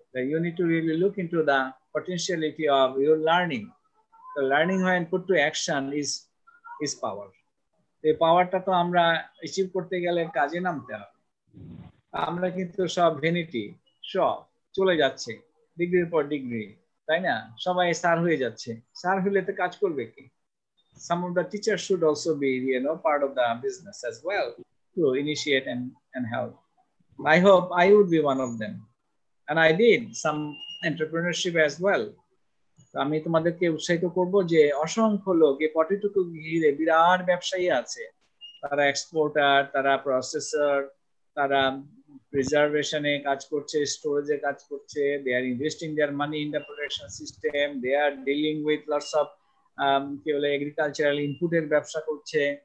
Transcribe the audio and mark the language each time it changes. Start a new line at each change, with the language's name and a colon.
English: You need to really look in to the potentiality of your learning, learning হয় put to action is is power.
Bangla: এই পাওয়ারটা তো আমরা achieve করতে গেলে কাজে নামতে হবে। আমরা কিন্তু সব ভেনিটি, সব চলে যাচ্ছে ডিগ্রির পর ডিগ্রি, তাই না? সবাই স্যার হয়ে যাচ্ছে, স্যার হলে তো কাজ করবে কি?
English: Some of the teachers should also be, you know, part of the business as well to initiate and help. I hope I would be one of them. And I did some entrepreneurship as well.
Bangla: আমি তোমাদেরকে উৎসাহিত করব যে অসংখ্য লোক এই পটিটুকু ঘিরে বিরাট ব্যবসায়ী আছে। তারা এক্সপোর্টার, তারা প্রসেসর, তারা প্রিজার্ভেশনে কাজ করছে, স্টোরেজে কাজ করছে,
English: they are investing their money in the production system, they are dealing with lots of
Bangla: কি বলে এগ্রিকালচারাল ইনপুটের ব্যবসা করছে।